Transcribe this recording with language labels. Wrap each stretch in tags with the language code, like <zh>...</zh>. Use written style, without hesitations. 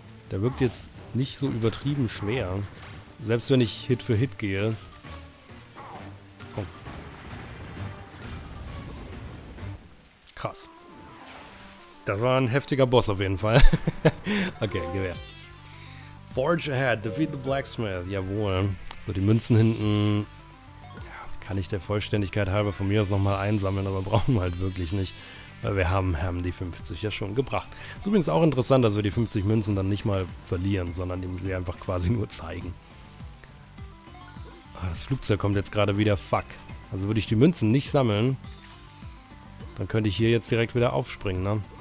<de>Der wirkt jetzt nicht so übertrieben schwer. Selbst wenn ich Hit für Hit gehe. Oh. Krass. Das war ein heftiger Boss auf jeden Fall. Okay, Gewehr.</de> <en>Forge ahead, defeat the blacksmith.</en> <de>Jawohl. So, die Münzen hinten. Kann ich der Vollständigkeit halber von mir aus nochmal einsammeln, aber brauchen wir halt wirklich nicht. Weil wir haben die 50 ja schon gebracht. Ist übrigens auch interessant, dass wir die 50 Münzen dann nicht mal verlieren, sondern sie einfach quasi nur zeigen. Ah, das Flugzeug kommt jetzt gerade wieder. Fuck. Also würde ich die Münzen nicht sammeln, dann könnte ich hier jetzt direkt wieder aufspringen, ne?</de>